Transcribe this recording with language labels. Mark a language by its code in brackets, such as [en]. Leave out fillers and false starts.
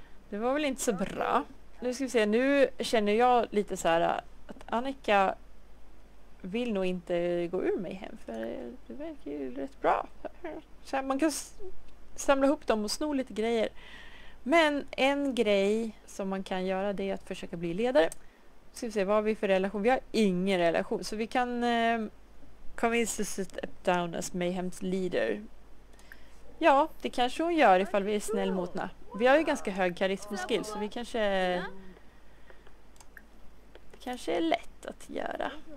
[sv] Det var väl inte så bra. Nu ska vi se, nu känner jag lite så här att Annika vill nog inte gå ur mig hem, för det verkar ju rätt bra. Så här, man kan samla ihop dem och sno lite grejer. Men en grej som man kan göra, det är att försöka bli ledare. Nu ska vi se, vad har vi för relation? Vi har ingen relation, så vi kan... [en] Convince to sit up down as Mayhem's leader. [sv] Ja, det kanske hon gör ifall vi är snäll mot henne. Vi har ju ganska hög karismaskill, så vi kanske... Det kanske är lätt att göra.